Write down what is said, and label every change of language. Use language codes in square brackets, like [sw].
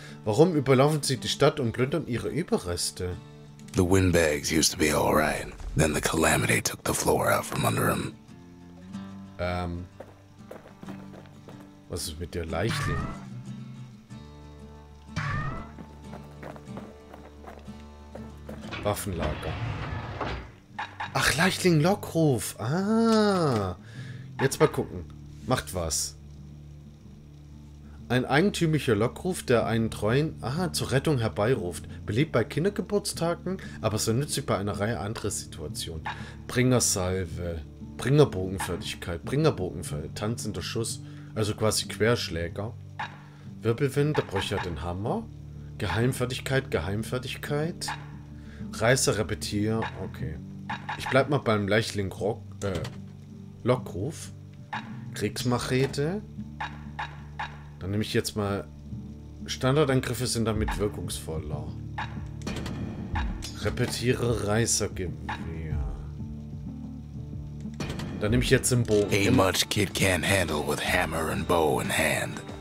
[de] Warum überlaufen sie die Stadt und plündern ihre Überreste? [en] The windbags used to be all right. Then the Calamity took the floor out from under him. [de] Was ist mit der Leichling? Waffenlager. Ach, Leichling Lockruf. Ah. Jetzt mal gucken. Macht was. Ein eigentümlicher Lockruf, der einen treuen, zur Rettung herbeiruft. Beliebt bei Kindergeburtstagen, aber so nützlich bei einer Reihe anderer Situationen. Bringersalve, Bringerbogenfertigkeit, Bringerbogenfertigkeit, tanzender Schuss, also quasi Querschläger. Wirbelwind, da brauche ich ja den Hammer. Geheimfertigkeit, Geheimfertigkeit. Reißer, Repetier, okay. Ich bleib mal beim Leichling Rock, Lockruf. Kriegsmachete. Dann nehme ich jetzt mal. Standardangriffe sind damit wirkungsvoller. Repetiere Reißergewehr. Dann nehme ich jetzt den Bogen. [en] Ain't much kid can handle with hammer and bow in hand.